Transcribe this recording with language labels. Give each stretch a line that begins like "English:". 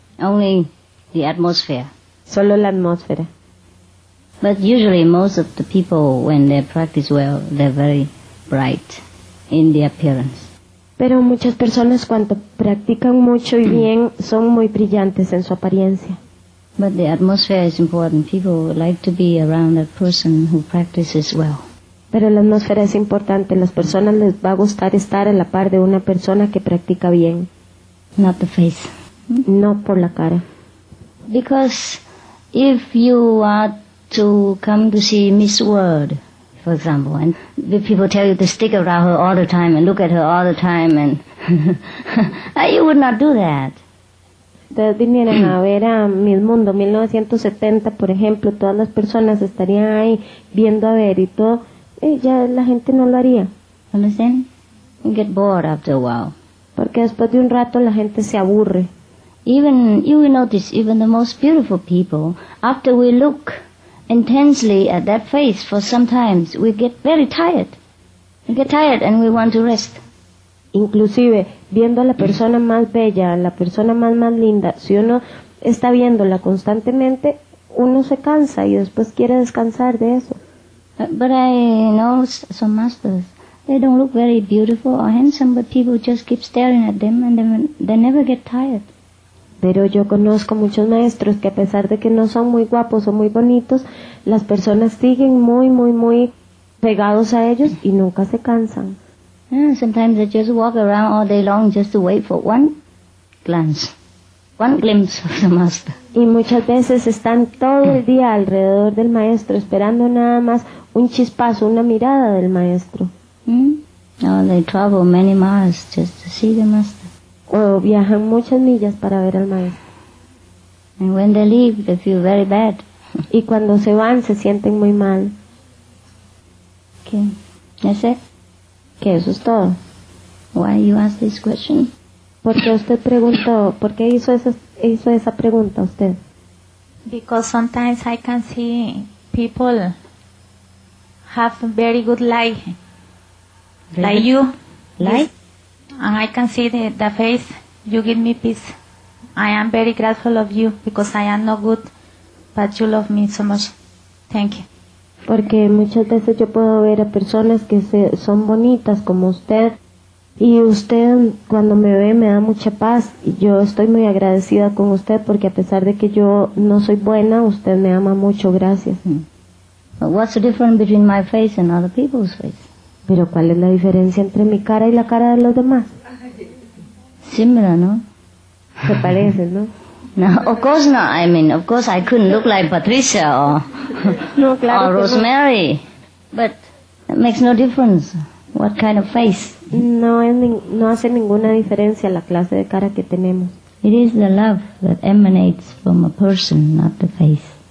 English: Only the atmosphere.
Spanish: Solo la atmósfera.
English: But usually most of the people when they practice well, they're very bright in the appearance.
Spanish: Pero muchas personas cuando practican mucho y bien son muy brillantes en su apariencia.
English: But the atmosphere is important. People like to be around a person who practices well.
Spanish: Pero la atmósfera es importante. Las personas les va a gustar estar a la par de una persona que practica bien.
English: Not the face.
Spanish: No por la cara.
English: Because if you are to come to see Miss World, for example, and the people tell you to stick around her all the time and look at her all the time, and you would not do that.
Spanish: Ustedes vinieran a ver a Miss Mundo 1970, por ejemplo, todas las personas estarían ahí viendo a ver y todo. Ya la gente no lo haría.
English: Understand? You get bored after a while.
Spanish: Porque después de un rato la gente se aburre.
English: Even you will notice even the most beautiful people, after we look intensely at that face for some times, we get very tired. We get tired and we want to rest.
Spanish: Inclusive viendo a la persona más bella, a la persona más linda, si uno está viéndola constantemente, uno se cansa y después quiere descansar de eso.
English: But I know some masters. They don't look very beautiful or handsome, but people just keep staring at them and they never get tired.
Spanish: Pero yo conozco muchos maestros que a pesar de que no son muy guapos o muy bonitos, las personas siguen muy pegados a ellos y nunca se cansan.
English: Yeah, sometimes they just walk around all day long just to wait for one glance. One glimpse of the master.
Spanish: Y muchas veces están todo el día alrededor del maestro esperando nada más un chispazo, una mirada del maestro.
English: Or they travel many miles just to see the master.
Spanish: O viajan muchas millas para ver al maestro.
English: And when they leave, they feel very bad.
Spanish: Y cuando se van, se sienten muy mal.
English: Okay, that's it.
Spanish: Que eso es todo.
English: Why you ask this question?
Spanish: Porque usted preguntó, ¿por qué hizo esa pregunta usted?
English: Because sometimes I can see people have very good light, really? Like you. Light? And I can see the face, you give me peace. I am very grateful of you because I am not good, but you love me so much. Thank you.
Spanish: Porque muchas veces yo puedo ver a personas que son bonitas como usted. Y usted cuando me ve me da mucha paz y yo estoy muy agradecida con usted porque a pesar de que yo no soy buena, usted me ama mucho, gracias.
English: But what's the difference between my face and other people's face?
Spanish: Pero ¿cuál es la diferencia entre mi cara y la cara de los demás? Similar, ¿no? Se parece, ¿no?
English: No, of course not. I mean, of course I couldn't look like Patricia or,
Spanish: no, claro
English: or Rosemary.
Spanish: No.
English: But it makes no difference. What kind of face?
Spanish: No hace ninguna diferencia la clase de cara que tenemos.
English: It is the love that emanates from a person, not the face.